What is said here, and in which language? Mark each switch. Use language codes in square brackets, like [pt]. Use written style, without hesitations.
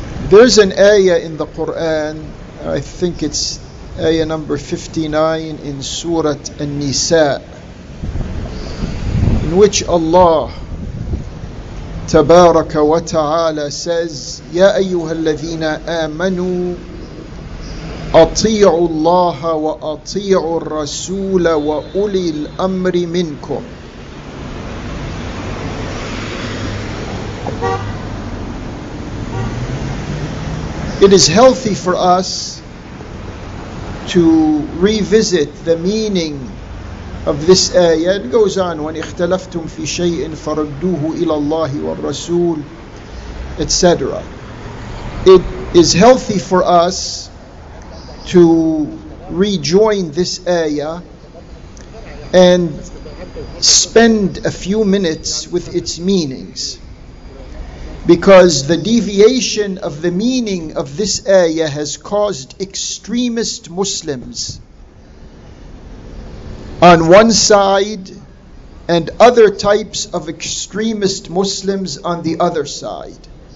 [en] There's an ayah in the Quran, I think it's ayah number 59 in Surah An-Nisa, in which Allah Tabaraka wa Ta'ala says, [ar] Ya ayyuhal ladhina amanu أطيعوا الله وأطيعوا الرسول وأولي الأمر منكم. [en] It is healthy for us to revisit the meaning of this ayah. It goes on, when [ar] اختلفتم في شيء فردوه إلى الله والرسول, [en] etc. It is healthy for us to rejoin this ayah and spend a few minutes with its meanings, because the deviation of the meaning of this ayah has caused extremist Muslims on one side and other types of extremist Muslims on the other side.